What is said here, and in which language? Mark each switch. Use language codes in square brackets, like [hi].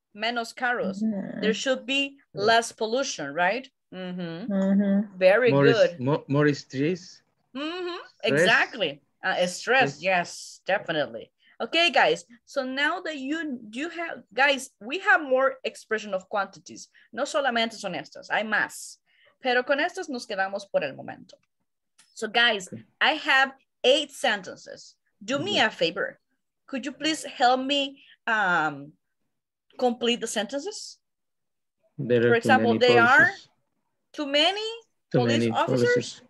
[es] Menos carros. [en] Yeah. There should be less pollution, right? Mm-hmm. Mm-hmm. Very more good. More stress. Mm-hmm. Stress. Exactly. Stress. Yes, definitely. Okay, guys. So now that you have, guys, we have more expression of quantities. [es] No solamente son estas. Hay más. Pero con estas nos quedamos por el momento. [en] So guys, okay. I have 8 sentences. Do me a favor. Could you please help me complete the sentences? For example, there are too many police officers.